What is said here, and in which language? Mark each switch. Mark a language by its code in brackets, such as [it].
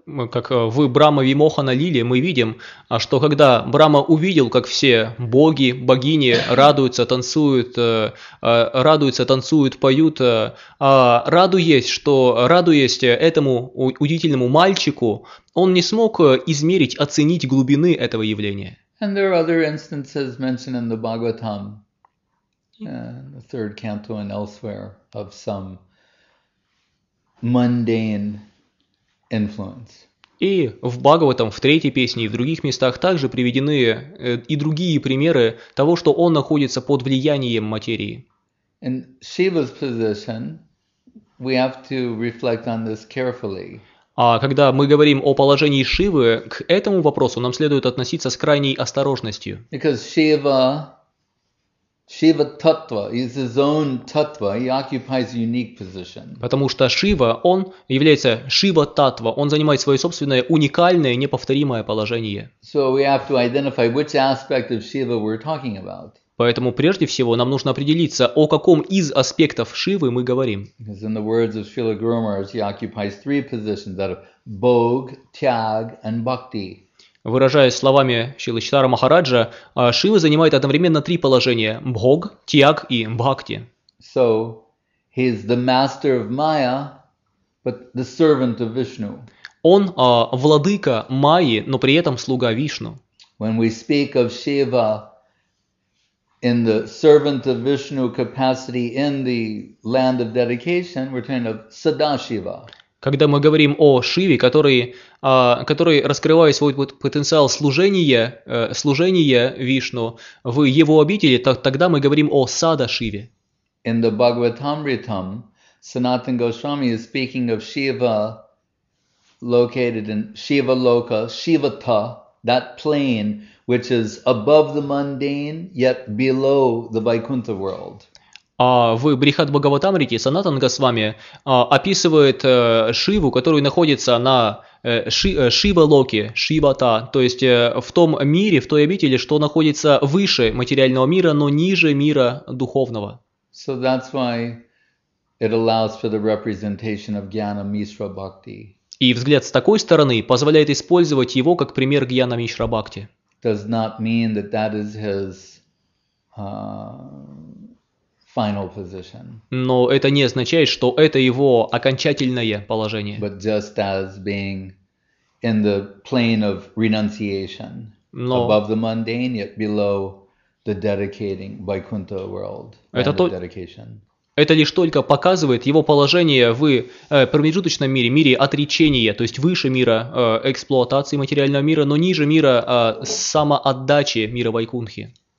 [ru] Как в Брахма Вимохана Лиле мы видим, что когда Брахма увидел, как все боги, богини радуются, танцуют, поют, радуясь этому удивительному мальчику, он не смог измерить, оценить глубины этого явления. [en] And there are other instances mentioned in the Bhagavatam, the third canto and elsewhere, of some mundane influence. [ru] И в Бхагаватам, в третьей песне и в других местах также приведены и другие примеры того, что он находится под влиянием материи. [en] In Shiva's position, we have to reflect on this carefully. [ru] А когда мы говорим о положении Шивы, к этому вопросу нам следует относиться с крайней осторожностью. [en] Because Shiva Tattva is his own Tattva. He occupies a unique position. [ru] Потому что Шива, он является Шива Таттва. Он занимает свое собственное уникальное, неповторимое положение. [en] So we have to identify which aspect of Shiva we're talking about. [ru] Поэтому прежде всего нам нужно определиться, о каком из аспектов Шивы мы говорим. [en] Because in the words of Srila Guru Maharaj, he occupies three positions: that of Bhog, Tyag, and Bhakti. [ru] Выражаясь словами Шрилы Чайтанья Махараджа, Шива занимает одновременно три положения – Бхог, Тьяг и Бхакти. [en] So, he's the master of Maya, but the servant of Vishnu. [ru] Он владыка Майи, но при этом слуга Вишну. [en] When we speak of Shiva in the servant of Vishnu capacity in the land of dedication, we're talking of Sadashiva. [ru] Когда мы говорим о Шиве, который раскрывает свой потенциал служения Вишну в его обители, тогда мы говорим о Сада Шиве. [en] In the Bhagavatamritam, Sanatana Goswami is speaking of Shiva located in Shiva Loka, Shivata, that plane which is above the mundane yet below the Vaikuntha world. [ru] А в Брихат Бхагаватамрите Санатан Госвами описывает Шиву, который находится на Шива-локе, Шивата, то есть в том мире, в той обители, что находится выше материального мира, но ниже мира духовного. [en] So that's why it allows for the representation of Gyana Mishra Bhakti. [ru] И взгляд с такой стороны позволяет использовать его как пример Гьяна Мишра Бхакти. [en] Does not mean that that is his final position. [ru] Но это не означает, что это его окончательное положение. [en] But just as being in the plane of renunciation, above the mundane, yet below the dedicating Vaikuntha world, land of dedication. [ru] Это лишь только показывает его положение в промежуточном мире, мире отречения, то есть выше мира эксплуатации материального мира, но ниже мира самоотдачи мира Вайкунхи.